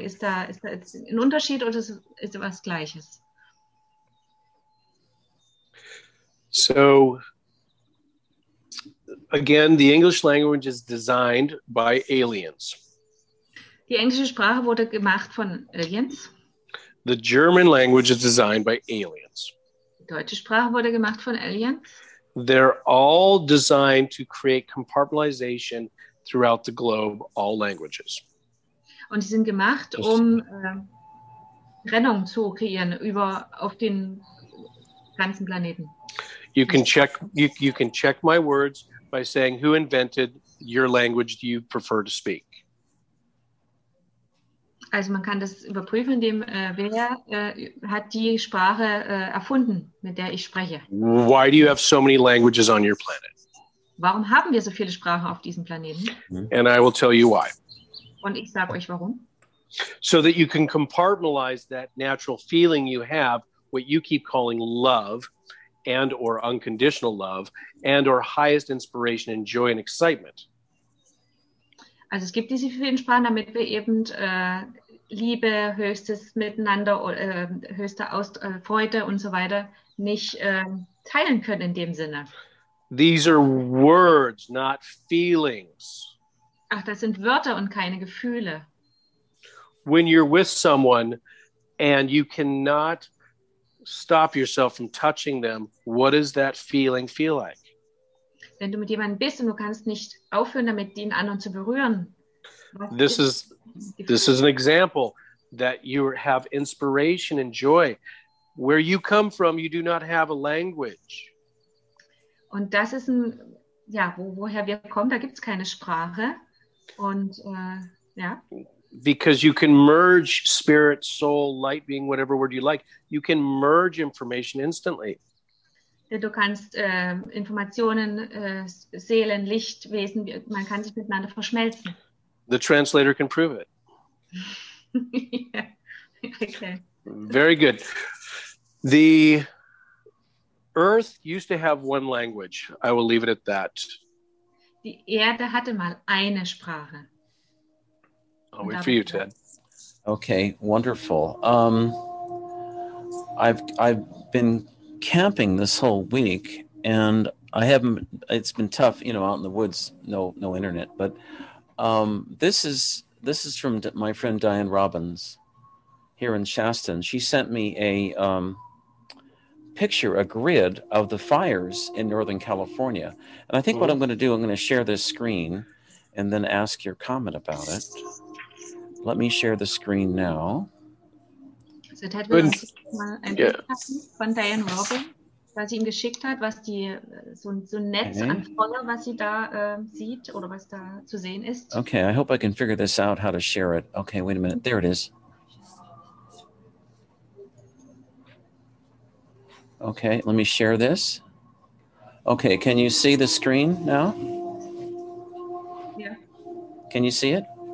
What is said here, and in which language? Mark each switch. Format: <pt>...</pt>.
<de>Ist da jetzt ein Unterschied oder ist es was Gleiches?</de> <en>So, again, the English language is designed by aliens.</en> <de>Die englische Sprache wurde gemacht von Aliens.</de> <en>The German language is designed by aliens.</en> <de>Die deutsche Sprache wurde gemacht von Aliens.</de> <en>They're all designed to create compartmentalization throughout the globe, all languages.</en> <de>Und sie sind gemacht, um Trennung zu kreieren über auf den ganzen Planeten.</de> <en>You can check my words by saying who invented your language do you prefer to speak.</en> <de>Also man kann das überprüfen, indem wer hat die Sprache erfunden, mit der ich spreche.</de> <en>Why do you have so many languages on your planet?</en> <de>Warum haben wir so viele Sprachen auf diesem Planeten?</de> <en>And I will tell you why.</en> <de>Und ich sage euch warum.</de> <en>So that you can compartmentalize that natural feeling you have, what you keep calling love, and or unconditional love, and or highest inspiration and joy and excitement.</en> <de>Also es gibt diese vielen Sprachen, damit wir eben Liebe, höchstes Miteinander, höchste Freude und so weiter nicht teilen können in dem Sinne.</de> <en>These are words, not feelings.</en> <de>Ach, das sind Wörter und keine Gefühle.</de> <en>When you're with someone and you cannot stop yourself from touching them, what does that feeling feel like?</en> <de>Wenn du mit jemandem bist und du kannst nicht aufhören, damit den anderen zu berühren.</de> <en>This is an example that you have inspiration and joy. Where you come from, you do not have a language.</en> <de>Und das ist ein, ja, woher wir kommen, da gibt's keine Sprache. Und, ja.</de> <en>Because you can merge spirit, soul, light being, whatever word you like. You can merge information instantly.</en> <de>Du kannst Informationen, Seelen, Licht, Wesen, man kann sich miteinander verschmelzen.</de> <en>The translator can prove it. Yeah. Okay. Very good. The Earth used to have one language. I will leave it at that.</en> <de>Die Erde hatte mal eine Sprache.</de> <en>I'll wait for you, Ted. Okay, wonderful. I've been camping this whole week, and I haven't, it's been tough, you know, out in the woods, no internet, but this is from my friend Diane Robbins here in Shasta. She sent me a picture, a grid of the fires in Northern California, and I think what I'm going to do, I'm going to share this screen and then ask your comment about it. Let me share the screen now.</en> <de>So Ted will uns mal ein Bild von Diane Robbins, was sie ihm geschickt hat, was die so ein Netz an Feuer, was sie da sieht oder was da zu sehen ist.</de> <en>Okay, I hope I can figure this out, how to share it. Okay, wait a minute. There it is. Okay, let me share this. Okay, can you see the screen now? Yeah. Can you see it?</en>